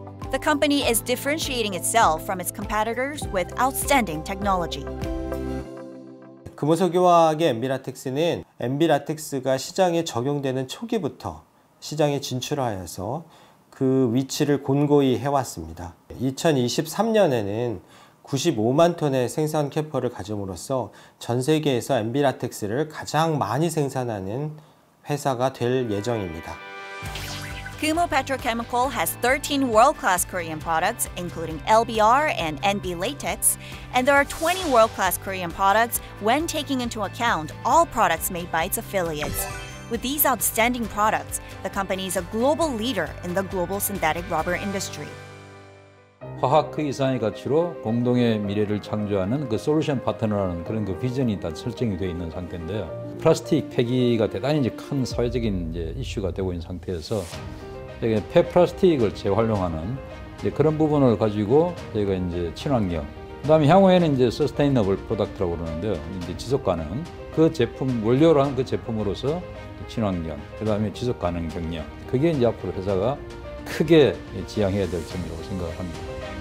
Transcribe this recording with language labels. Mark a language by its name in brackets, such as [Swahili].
[English] The company is differentiating itself from its competitors with outstanding technology. [Korean] 금호석유화학의 NB 라텍스는 NB 라텍스가 시장에 적용되는 초기부터 시장에 진출하여서 그 위치를 곤고히 해왔습니다. 2023년에는 95만 톤의 생산 캐퍼를 가짐으로써 전 세계에서 NB 라텍스를 가장 많이 생산하는 회사가 될 예정입니다. [English] Kumho Petrochemical has 13 world-class Korean products, including LBR and NB latex, and there are 20 world-class Korean products when taking into account all products made by its affiliates. With these outstanding products, the company is a global leader in the global synthetic rubber industry. [Korean] 화학의 이상의 가치로 공동의 미래를 창조하는 그 솔루션 파트너라는 그런 그 비전이 일단 설정이 되어 있는 상태인데요. 플라스틱 폐기가 대단히 이제 큰 사회적인 이제 이슈가 되고 있는 상태에서 이게 폐플라스틱을 재활용하는 이제 그런 부분을 가지고 저희가 이제 친환경, 그다음에 향후에는 이제 서스테이너블 프로덕트라고 그러는데 이제 지속 가능 그 제품 원료로 한 그 제품으로서 친환경, 그다음에 지속 가능 경영, 그게 이제 앞으로 회사가 크게 지향해야 될 점이라고 생각합니다.